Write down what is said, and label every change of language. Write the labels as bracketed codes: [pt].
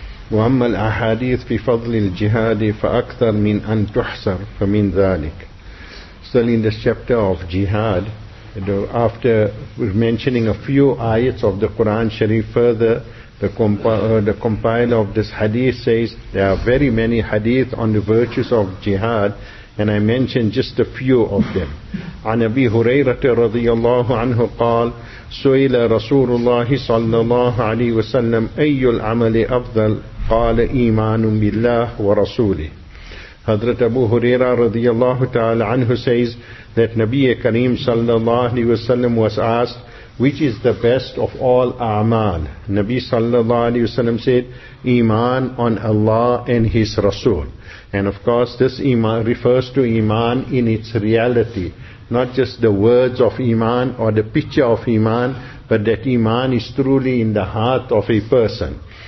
[ar] وأما الأحاديث في فضل الجهاد فأكثر من أن تحصر فمن ذلك. [en] Still in this chapter of jihad, after mentioning a few ayats of the Quran Sharif further, the compiler of this hadith says there are very many hadith on the virtues of jihad, and I mention just a few of them. [ar] عن أبي هريرة رضي الله عنه قال سئل رسول الله صلى الله عليه وسلم أي العمل أفضل قال إيمان بالله ورسوله. [en] Hazrat Abu Huraira radiyallahu ta'ala anhu says that Nabiyyu Kareem sallallahu alayhi wasallam was asked, which is the best of all a'mal? Nabi sallallahu alayhi wasallam said, Iman on Allah and His Rasul. And of course, this Iman refers to Iman in its reality, not just the words of Iman or the picture of Iman, but that Iman is truly in the heart of a person.